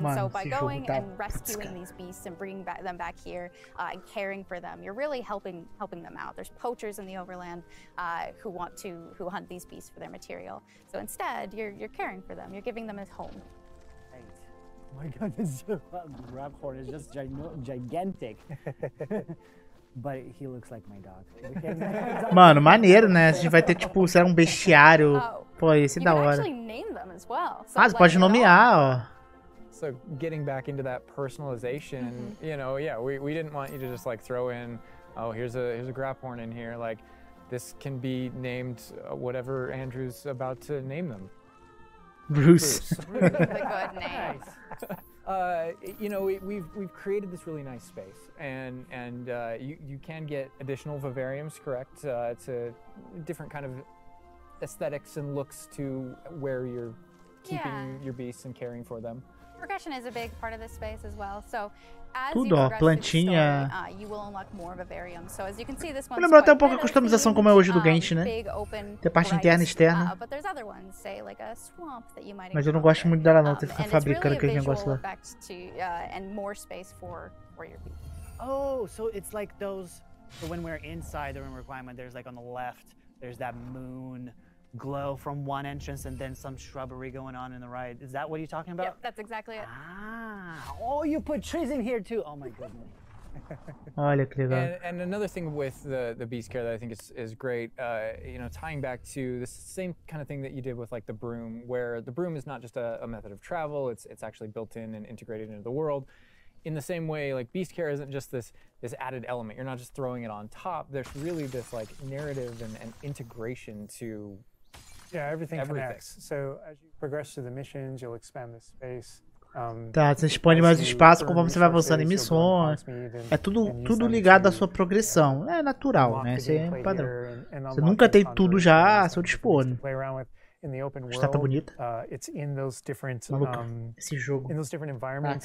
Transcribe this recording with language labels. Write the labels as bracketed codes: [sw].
[en] And so by going and rescuing these beasts and bringing them back here and caring for them, you're really helping them out. There's poachers in the overland who hunt these beasts for their material. So instead, you're caring for them. You're giving them a home. Right. Oh my god, this grab horn is just gigantic. But he looks like my dog. [pt] Mano, maneiro, né? A gente vai ter, tipo, será um bestiário. Pô, esse é da hora. Você pode nomear, ó. [en] So getting back into that personalization, you know, yeah, we didn't want you to just like throw in, oh, here's a graphorn in here. Like, This can be named whatever Andrew's about to name them. Bruce. That's a good name. You know, we've created this really nice space, and you can get additional vivariums, correct? It's a different kind of aesthetics and looks to where you're keeping your beasts and caring for them. Progression is a big part of this space as well. So, as tudo, you progress the story, you will unlock more vivariums. So, as you can see, this one's [pt] lembra até um pouco a customização como é hoje do Genshin, né? [en] Big, open, [pt] tem parte interna e externa. [en] But there's other ones, say, like a swamp that you might [pt] mas eu não gosto muito dela, não. Tem que ficar fabricando aquele negócio lá. [en] And more space for your beast. Oh, so it's like those. So, when we're inside the room requirement, there's like on the left, there's that moon glow from one entrance and then some shrubbery going on in the right. Is that what you're talking about? Yep, that's exactly it. Ah, oh, you put trees in here too. Oh my goodness. [pt] Olha que legal. [en] And another thing with the beast care that I think is great, you know, tying back to the same kind of thing that you did with like the broom, where the broom is not just a method of travel, it's actually built in and integrated into the world. In the same way, like beast care isn't just this added element. You're not just throwing it on top. There's really this like narrative and integration to everything connects. So as you progress through the missions, you'll expand the space. [pt] Tá, você expande mais o espaço conforme você vai avançando em missões. É tudo ligado à sua progressão. É natural, né? Isso é padrão. Você nunca tem tudo já a seu dispor. Né? [en] In the open world, [pt] está tão bonita. [en] It's in those different, [pt] esse jogo. [en] In those different environments,